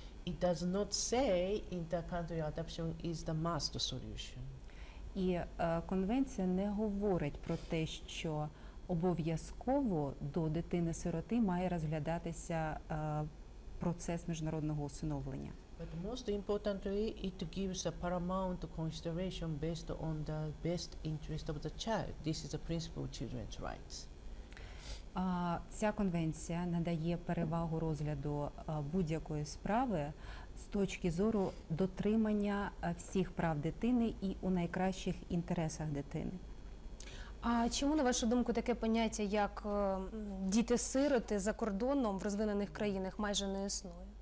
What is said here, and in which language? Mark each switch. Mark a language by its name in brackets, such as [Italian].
[English] It does not say inter-country adoption is the must solution. [Ukrainian] І конвенція не говорить про те, що обов'язково до дитини-сироти має розглядатися процес міжнародного усиновлення. [English] But most importantly, it gives a paramount consideration based on the best interest of the child. This is the principle of children's rights. [Ukrainian] Ця конвенція надає перевагу розгляду будь-якої справи з точки зору дотримання всіх прав дитини і у найкращих інтересах дитини. А чому, на вашу думку, таке поняття, як діти-сироти за кордоном в розвинених країнах майже не існує?